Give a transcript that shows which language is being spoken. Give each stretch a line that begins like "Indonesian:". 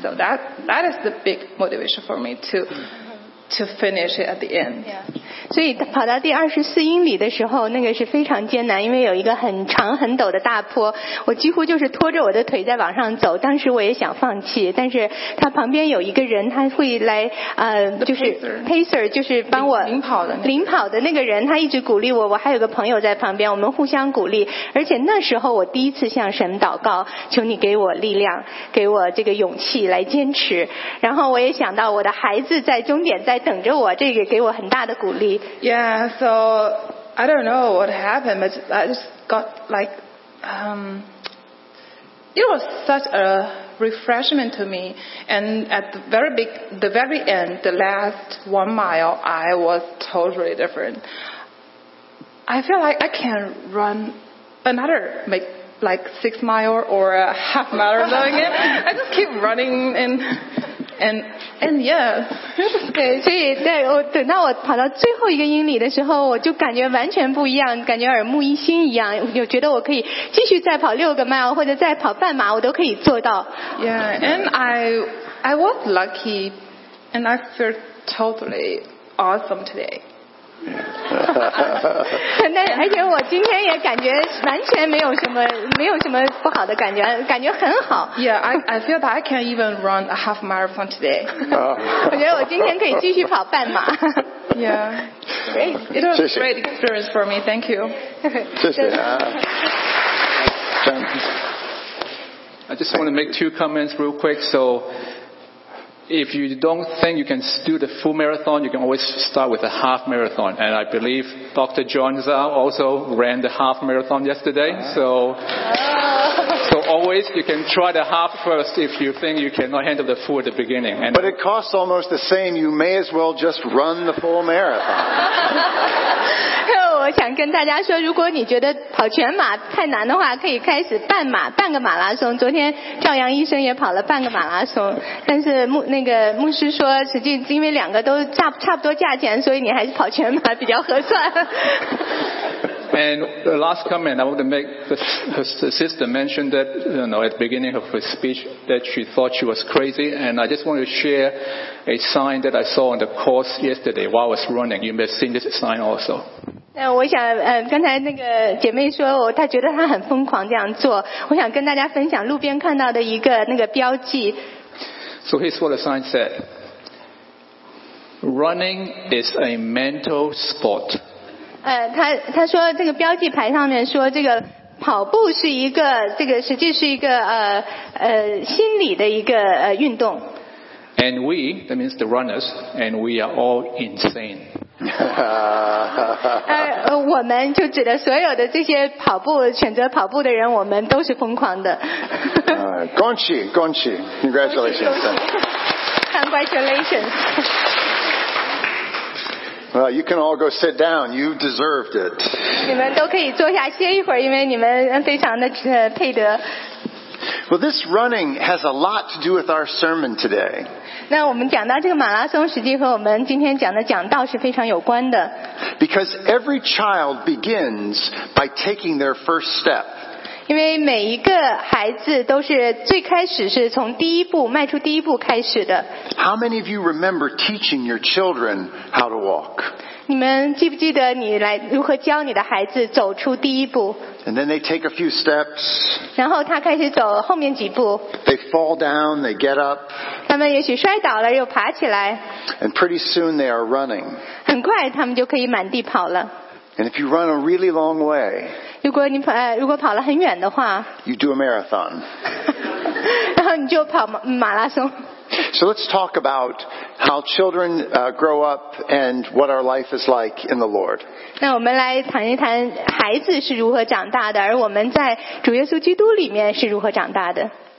English: So that is the big motivation for me to finish it at the end. Yeah.
Chinese: 所以跑到第24英里的时候，那个是非常艰难，因为有一个很长很陡的大坡，我几乎就是拖着我的腿在往上走。当时我也想放弃，但是他旁边有一个人，他会来就是
English: pacer
Chinese: 就是帮我领跑的那个人，他一直鼓励我。我还有个朋友在旁边，我们互相鼓励。而且那时候我第一次向神祷告，求你给我力量，给我这个勇气来坚持。然后我也想到我的孩子在终点。在等着我，这个给我很大的鼓励。
English: Yeah, so I don't know what happened, but I just got like, it was such a refreshment to me. And at the very end, the last 1 mile, I was totally different. I feel like I can run another, like 6 mile or a half marathon. I just keep running and yeah.
Chinese: 所以对我等到我跑到最后一个英里的时候，我就感觉完全不一样，感觉耳目一新一样，我觉得我可以继续再跑6个 mile 或者再跑半马，我都可以做到。
English: Yeah, and I was lucky, and I feel totally awesome today.
Chinese: 那而且我今天也感觉完全没有什么不好的感觉，感觉很好。
English: Yeah, I feel that I can even run a half marathon today.
Chinese: 我觉得我今天可以继续跑半马。
English: Yeah, it was a great experience for me. Thank you.
Chinese: 谢谢啊。
English: I just want to make 2 comments real quick. So. If you don't think you can do the full marathon, you can always start with a half marathon. And I believe Dr. John Zhao also ran the half marathon yesterday. So always you can try the half first if you think you cannot handle the full at the beginning. But it costs almost the same. You may as well just run the full marathon.
Chinese: 我想跟大家说，如果你觉得跑全马太难的话，可以开始半马，半个马拉松。昨天赵阳医生也跑了半个马拉松，但是牧师说，实际因为两个都差不多价钱，所以你还是跑全马比较合算。
English: And the last comment I want to make, her sister mentioned that, you know, at the beginning of her speech that she thought she was crazy, and I just want to share a sign that I saw on the course yesterday while I was running. You may have seen this sign also.
Chinese: 我想刚才那个姐妹说她觉得她很疯狂这样做，我想跟大家分享路边看到的一个那个标记。
English: So here's what the sign said. Running is a mental sport.
Chinese: 他说这个标记牌上面说这个跑步是一个这个实际是一个心理的一个运动。
English: And we, that means the runners, and we are all insane.
Chinese: 我们就指的所有的这些跑步选择跑步的人，我们都是疯狂的。恭喜 ，
English: congratulations. Congratulations. Well, you can all go sit down. You deserved it.
Chinese: 你们都可以坐下歇一会儿，因为你们非常的配得。
English: Well, this running has a lot to do with our sermon today.
Chinese: 那我们讲到这个马拉松，实际和我们今天讲的讲道是非常有关的。
English: Because every child begins by taking their first step.
Chinese: 因为每一个孩子都是最开始是从第一步迈出第一步开始的。
English: How many of you remember teaching your children how to walk?
Chinese: 你们记不记得你来如何教你的孩子走出第一步？
English: And then they take a few steps.
Chinese: 然后他开始走后面几步。
English: They fall down, they get up.
Chinese: 他们也许摔倒了又爬起来。
English: And pretty soon they are running.
Chinese: 很快他们就可以满地跑了。
English: And if you run a really long way,
Chinese: 如果跑了很远的话，
English: you do a marathon.
Chinese: 然后你就跑马拉松。
English: So let's talk about how children grow up and what our life is like in the Lord.
Chinese: 那我们来谈一谈孩子是如何长大的，而我们在主耶稣基督里面是如何长大的。